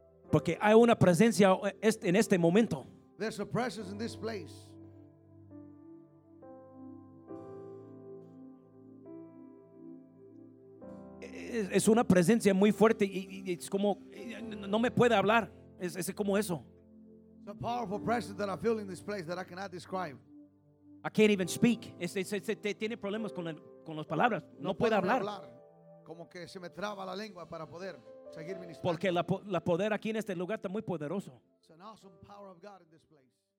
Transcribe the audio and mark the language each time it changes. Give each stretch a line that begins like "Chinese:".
Spanish: Porque hay una presencia en este momento.
English: There's a presence in this place.
Spanish: Es una presencia muy fuerte y es como no me puede hablar. Es como eso.
English: The powerful presence that I feel in this place that I cannot describe. I can't even speak.
Spanish: Tiene problemas con las palabras. No puede hablar. Como que se me traba la lengua para poder seguir ministrando. Porque la poder aquí en este lugar está muy poderoso.
English: It's an awesome power of God in this place.